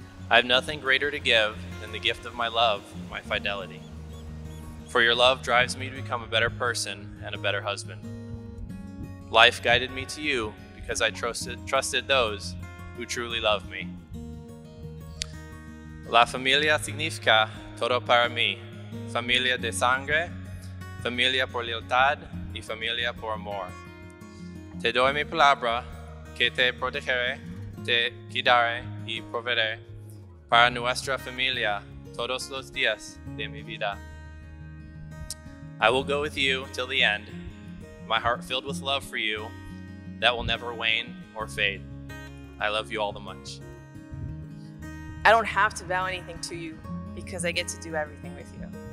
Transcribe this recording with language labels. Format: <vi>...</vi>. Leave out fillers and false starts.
<en>I have nothing greater to give than the gift of my love, my fidelity. For your love drives me to become a better person and a better husband. Life guided me to you because I trusted those who truly love me.</en> <es>La familia significa todo para mí. Familia de sangre, familia por lealtad y familia por amor. Te doy mi palabra que te protegeré, te cuidaré y proveeré. Para nuestra familia, todos los días de mi vida.</es> <en>I will go with you till the end, my heart filled with love for you that will never wane or fade. I love you all the much. I don't have to vow anything to you because I get to do everything with you.</en>